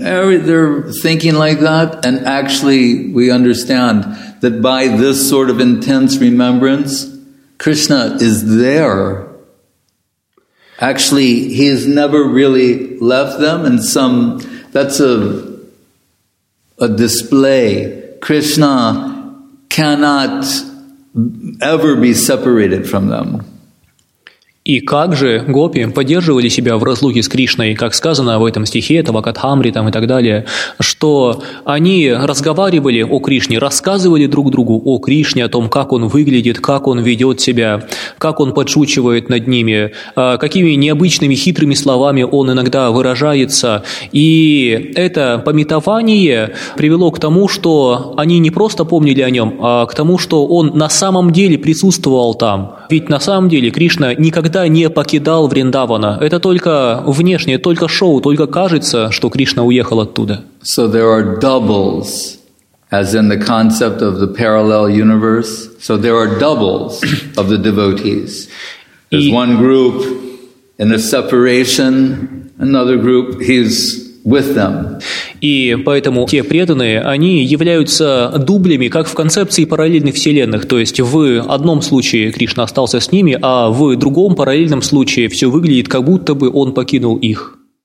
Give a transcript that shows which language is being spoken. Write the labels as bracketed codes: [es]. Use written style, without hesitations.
[en] They're thinking like that, and actually we understand that by this sort of intense remembrance, Krishna is there. Actually, he has never really left them. And some, that's a display. Krishna cannot ever be separated from them. [ru] И как же гопи поддерживали себя в разлуке с Кришной, как сказано в этом стихе, это Вакатхамри там и так далее, что они разговаривали о Кришне, рассказывали друг другу о Кришне, о том, как он выглядит, как он ведет себя, как он подшучивает над ними, какими необычными хитрыми словами он иногда выражается. И это памятование привело к тому, что они не просто помнили о нем, а к тому, что он на самом деле присутствовал там. Ведь на самом деле Кришна никогда не покидал Вриндавана. Это только внешнее, только шоу, только кажется, что Кришна уехал оттуда. [en] So there are doubles, as in the concept of the parallel universe. So there are doubles of the devotees. There's one group in a separation, another group he's with them. [ru] И поэтому те преданные, они являются дублями, как в концепции параллельных вселенных. То есть в одном случае Кришна остался с ними, а в другом параллельном случае все выглядит, как будто бы он покинул их.